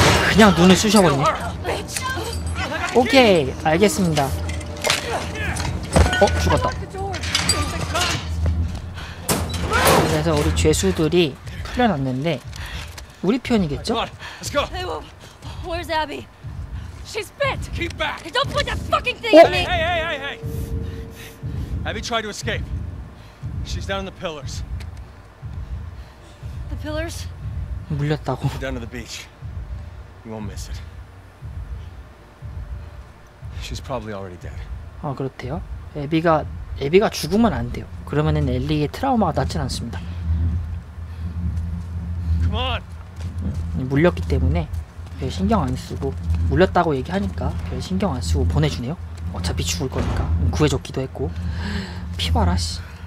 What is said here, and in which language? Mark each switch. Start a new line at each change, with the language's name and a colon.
Korean: 그냥 눈을 쑤셔버리네. 오케이 알겠습니다. 어? 죽었다. 그래서 우리 죄수들이 풀려났는데 우리 편이겠죠?
English: Hey, where's Abby? She's bit. Keep back. Don't put that fucking thing on me. Hey. Abby tried to escape. She's down in the pillars. The pillars?
Korean: 물렸다고.
English: Down to the beach. You won't miss it. She's probably already dead.
Korean: 아, 그렇대요. 애비가 죽으면 안 돼요. 그러면은 엘리의 트라우마가 낫진 않습니다.
English: Come on.
Korean: 물렸기 때문에 별 신경 안 쓰고, 물렸다고 얘기하니까 별 신경 안 쓰고 보내주네요. 어차피 죽을 거니까. 구해줬기도 했고. 피봐라 씨.